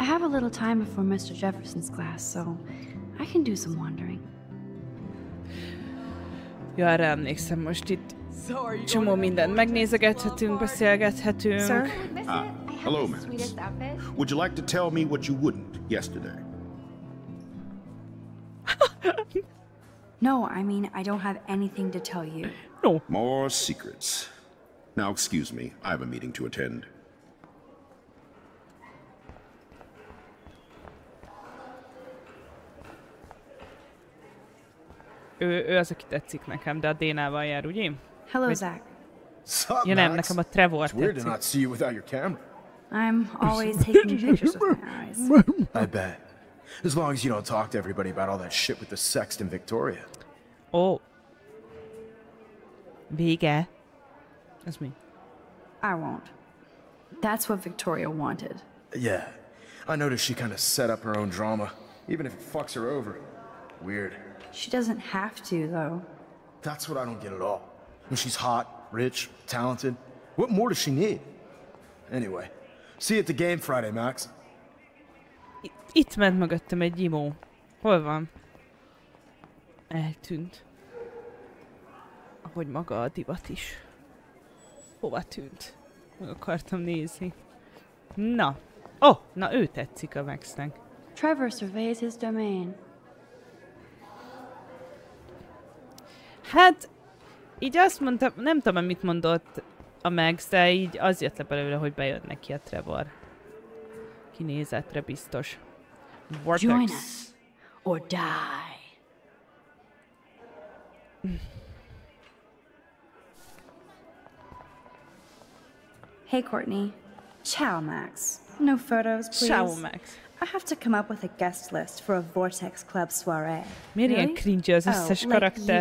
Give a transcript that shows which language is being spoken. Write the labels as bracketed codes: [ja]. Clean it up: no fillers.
[en] Little time before Mr. Jefferson's class, so I can do some wandering. [hu] Jó, arra emlékszem, most itt csomó mindent megnézegethetünk, beszélgethetünk. [en] Hello, Max. Would you like to tell me what you wouldn't yesterday? No, I mean, I don't have anything to tell you. No. More secrets. Now, excuse me, I have a meeting to attend. [hu] Ő az, aki tetszik nekem, de a Dénával jár, ugye? [en] Hello, Zach. [hu] Ja, nem, nekem a Trevor tetszik. [en] It's weird to not see you without your camera. I'm always taking pictures with my eyes. I bet. As long as you don't talk to everybody about all that shit with the sext in Victoria. Oh. Vége. That's me. I won't. That's what Victoria wanted. Yeah. I noticed she kind of set up her own drama. Even if it fucks her over. Weird. She doesn't have to, though. That's what I don't get at all. When she's hot, rich, talented, what more does she need? Anyway, see you at the game Friday, Max. [hu] Itt ment mögöttem egy imó. Hol van? Eltűnt. Ahogy maga a divat is. Hova tűnt? Meg akartam nézni. Na. Oh, na ő tetszik a Maxnek. [en] Trevor surveys his domain. [hu] Hát, így azt mondta, nem tudom, amit mondott a Max, de így az jött le belőle, hogy bejön neki a Trevor. Kinézetre biztos. [en] Vortex. Join us, or die. Hey, Courtney. Ciao, Max. No photos, please. Ciao, Max. I have to come up with a guest list for a Vortex Club soiree. [hu] Miért ilyen cringe az összes karakter?